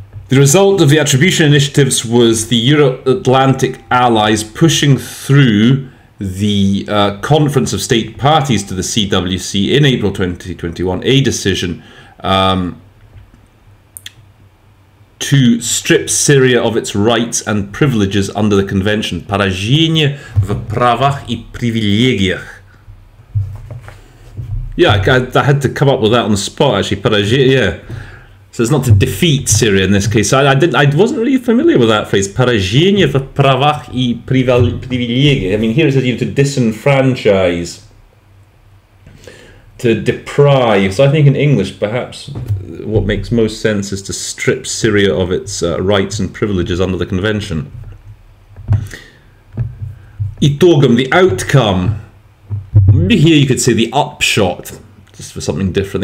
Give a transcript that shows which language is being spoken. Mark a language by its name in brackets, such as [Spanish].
[English] The result of the attribution initiatives was the Euro-Atlantic allies pushing through the Conference of State Parties to the CWC in April 2021, a decision to strip Syria of its rights and privileges under the convention. [Russian] Поражение в правах и привилегиях. [English] Yeah, I had to come up with that on the spot, actually. Yeah, so it's not to defeat Syria in this case. I wasn't really familiar with that phrase. [Russian] Поражение в правах и привилегиях. [English] I mean, here it says, you know, to disenfranchise, to deprive. So I think in English, perhaps what makes most sense is to strip Syria of its rights and privileges under the convention. Итогом, the outcome. Maybe here you could say the upshot, just for something different.